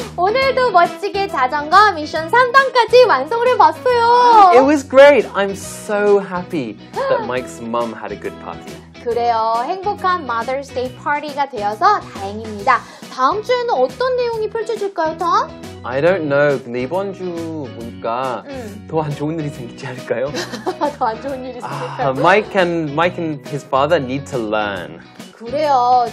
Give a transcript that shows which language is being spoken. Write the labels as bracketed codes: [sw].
[ko] 오늘도 멋지게 자전거 미션 3단까지 완성을 해봤어요. [en] It was great. I'm so happy that Mike's mom had a good party. [ko] 그래요. 행복한 Mother's Day party가 되어서 다행입니다. 다음 주에는 어떤 내용이 펼쳐질까요, Tom? [en] I don't know. [ko] 근데 이번 주 보니까 더 안 좋은 일이 생기지 않을까요? 더 안 좋은 일이 생길까요? [en] Mike and his father need to learn. [ko] 그래요.